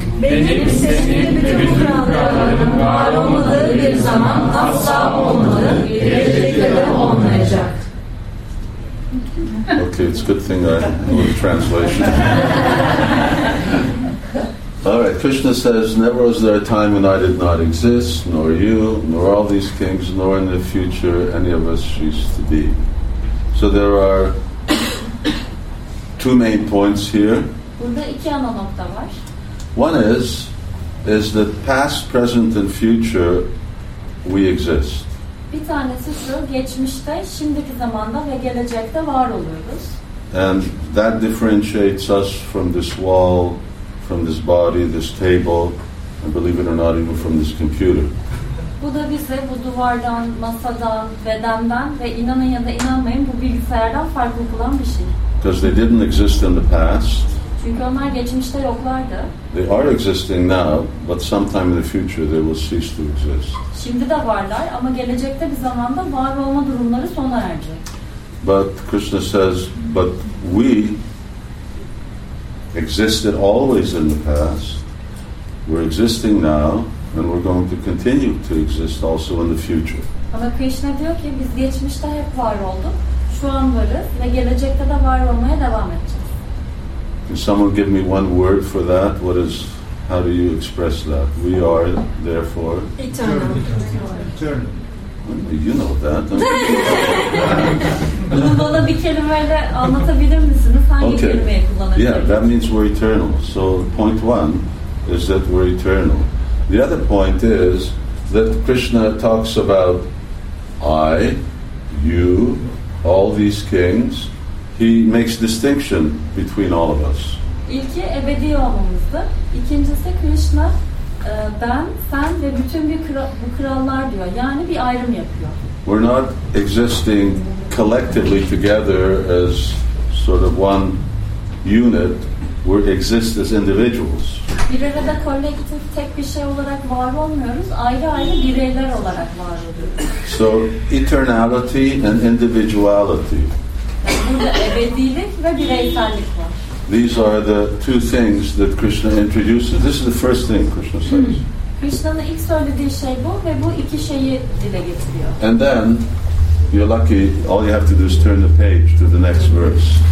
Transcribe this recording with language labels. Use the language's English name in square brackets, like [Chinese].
[Turkish] Benim senin bütün kuralların var olmadığı bir zaman asla olmadı, gelecekte de olmayacak. [English] Okay, it's a good thing I know the translation. All right, Krishna says, never was there a time when I did not exist, nor you, nor all these kings, nor in the future any of us cease to be. So there are two main points here. [Turkish] Burada iki ana nokta var. [English] One is that past, present and future, we exist. [Turkish] Bir tanesi şu, geçmişte, şimdiki zamanda ve gelecekte var oluyoruz. [English] And that differentiates us from this wall, from this body, this table, and believe it or not, even from this computer. [Turkish] Bu da bize bu duvardan, masadan, bedenden ve inanın ya da inanmayın bu bilgisayardan farklı kılan bir şey. [English] Because they didn't exist in the past. [Turkish] Çünkü onlar geçmişte yoklardı. [English] They are existing now, but sometime in the future they will cease to exist. [Turkish] Şimdi de varlar ama gelecekte bir zamanda var olma durumları sona erecek. [English] But Krishna says, but we existed always in the past, we're existing now, and we're going to continue to exist also in the future. [Turkish] Ama Krishna diyor ki biz geçmişte hep var olduk, şu an varız ve gelecekte de var olmaya devam edeceğiz. [English] Can someone give me one word for that? What is, how do you express that? We are therefore eternal. You know that. [Turkish] Bunu bana bir kelimeyle anlatabilir misiniz? Hangi kelimeyi kullanabiliriz? [English] Yeah, that means we're eternal. So point one is that we're eternal. The other point is that Krishna talks about I, you, all these kings. He makes distinction between all of us. [Turkish] İlki ebedi olmamızdı. İkincisi Krishna ben, sen ve bütün bu krallar diyor. Yani bir ayrım yapıyor. [English] We're not existing collectively together as sort of one unit, we exist as individuals. [Turkish] Bir arada kolektif tek bir şey olarak var olmuyoruz, ayrı ayrı bireyler olarak var oluyoruz. [English] So eternality and individuality. [Turkish] Burada ebedilik ve bireysellik var. [English] These are the two things that Krishna introduces. This is the first thing Krishna says. [Turkish] Krishna'nın ilk söylediği şey bu ve bu iki şeyi dile getiriyor. [English] And then you're lucky, all you have to do is turn the page to the next verse.